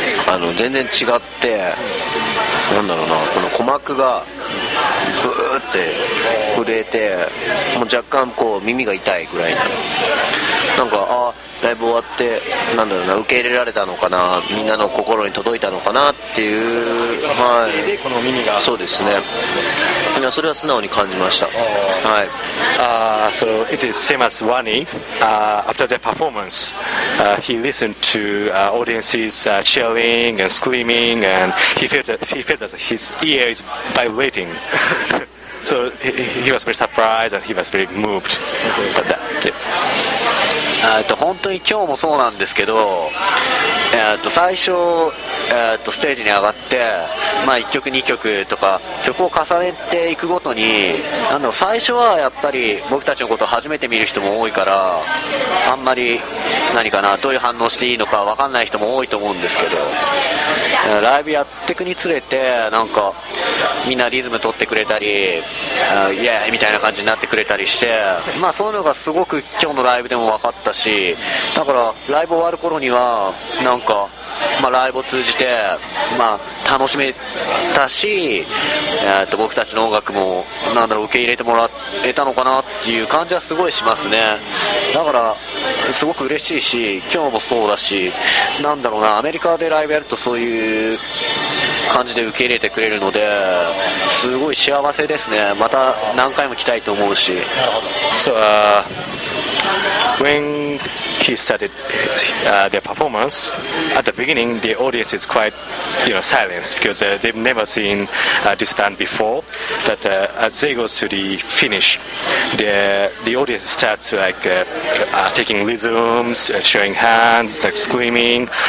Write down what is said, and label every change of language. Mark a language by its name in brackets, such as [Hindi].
[Japanese] あの全然違って、なんだろうな、この鼓膜がブーって震えて、もう若干こう耳が痛いぐらいな、なんかあライブ終わってなんだろうな、受け入れられたのかな、みんなの心に届いたのかなっていう、はい、この耳が、そうですね、いやそれは素直に感じました。はい。 [English] So it is same as Wani. After the performance, he listened to audiences cheering and screaming, and he felt that his ear is vibrating. So he was very surprised and he was very moved. But that, yeah. [Japanese] 本当に今日もそうなんですけど、最初、ステージに上がって、まあ、1曲2曲とか曲を重ねていくごとに、なんだろう、最初はやっぱり僕たちのことを初めて見る人も多いから、あんまり何かな、どういう反応していいのか分かんない人も多いと思うんですけど、ライブやっていくにつれてなんかみんなリズム取ってくれたり、イエーイみたいな感じになってくれたりして、まあ、そういうのがすごく今日のライブでも分かったし、だからライブ終わる頃にはなんか、まあ、ライブを通じて、まあ、楽しめたし、僕たちの音楽もなんだろう、受け入れてもらえたのかなっていう感じはすごいしますね。だからすごく嬉しいし、今日もそうだし、なんだろうな、アメリカでライブやるとそういう感じで受け入れてくれるので、すごい幸せですね。また何回も来たいと思うし。なるほど。 [English] So, when he started their performance, at the beginning the audience is quite, you know, silenced because they've never seen this band before. But as they go to the finish, the audience starts like taking rhythms, showing hands, like screaming.